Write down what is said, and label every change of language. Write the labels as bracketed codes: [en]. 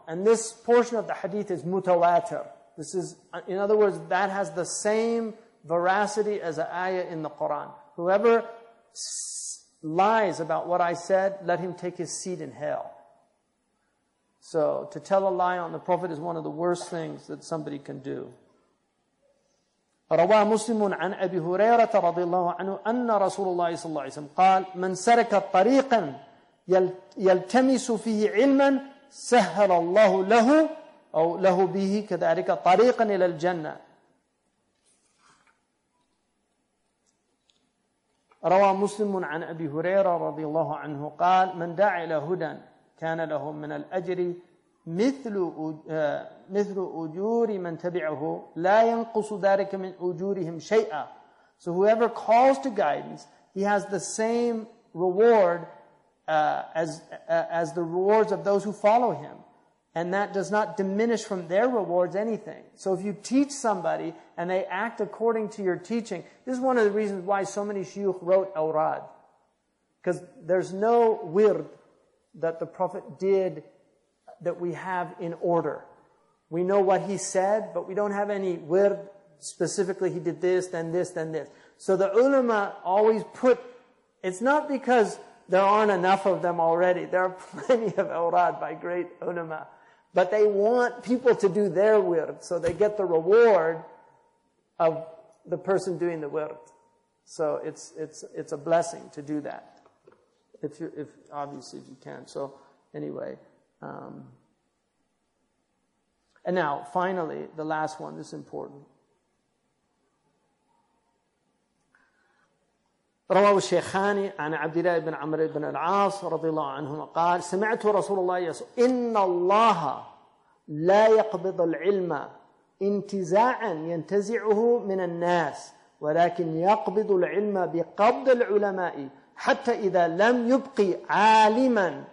[en] And this portion of the hadith is mutawatir. This is, in other words, that has the same veracity as an ayah in the Quran. Whoever lies about what I said, let him take his seat in hell. So to tell a lie on the Prophet is one of the worst things that somebody can do. [ar] رواه مسلم عن أبي هريرة رضي الله عنه أن رسول الله صلى الله عليه وسلم قال من سرك طريقا يلتمس فيه علما سهل الله له أو له به كذلك طريقا إلى الجنة. رواه مسلم عن أبي هريرة رضي الله عنه قال من دعا إلى هدى كان له من الأجر مثل أجور من تبعه لا ينقص ذلك من أجورهم شيئا. [en] So whoever calls to guidance, he has the same reward as the rewards of those who follow him. And that does not diminish from their rewards anything. So if you teach somebody and they act according to your teaching, this is one of the reasons why so many shuyukh wrote awrad. Because there's no wird that the Prophet did that we have in order. We know what he said, but we don't have any wird specifically he did this, then this, then this. So the ulama always put, it's not because there aren't enough of them already, there are plenty of awrad by great ulama, but they want people to do their wird, so they get the reward of the person doing the wird. So it's a blessing to do that. If you can. So anyway. And now, finally, the last one, this is important. [ar] رواه الشيخاني عن عبد الله بن عمرو بن العاص رضي الله عنهما قال سمعت رسول الله يقول إن الله لا يقبض العلم انتزاعا ينتزعه من الناس ولكن يقبض العلم بقبض العلماء حتى إذا لم يبق عالما.